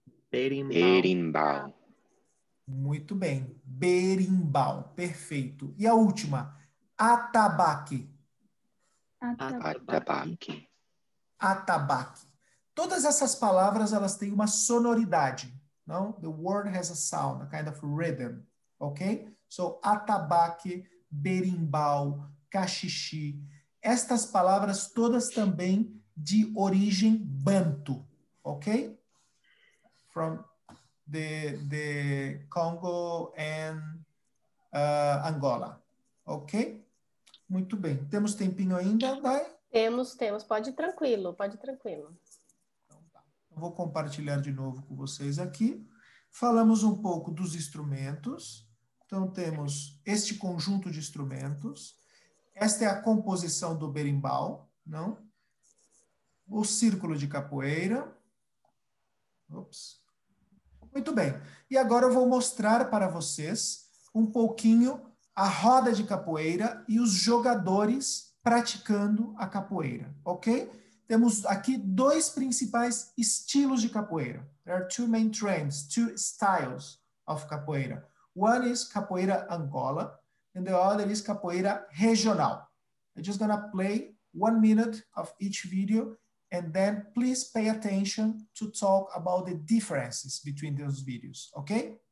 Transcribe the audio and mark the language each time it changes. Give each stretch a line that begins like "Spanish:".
Portuguese: Berimbau. Berimbau. Muito bem. Berimbau. Perfeito. E a última, atabaque. Atabaque. Atabaque. Todas essas palavras, elas têm uma sonoridade, não?
English: The word has a sound, a kind of rhythm, ok? So, atabaque, berimbau, caxixi.
Portuguese: Estas palavras todas também de origem banto, ok?
English: From the Congo and Angola, ok?
Portuguese: Muito bem. Temos tempinho ainda, vai? Temos, pode ir tranquilo, pode ir tranquilo. Vou compartilhar de novo com vocês aqui. Falamos um pouco dos instrumentos. Então, temos este conjunto de instrumentos. Esta é a composição do berimbau, não? O círculo de capoeira. Ops. Muito bem. E agora eu vou mostrar para vocês um pouquinho a roda de capoeira e os jogadores praticando a capoeira, ok? Temos aqui dois principais estilos de capoeira.
English: There are two main trends, two styles of capoeira. One is capoeira Angola and the other is capoeira regional. I'm just gonna play 1 minute of each video. And then please pay attention to talk about the differences between those videos, okay?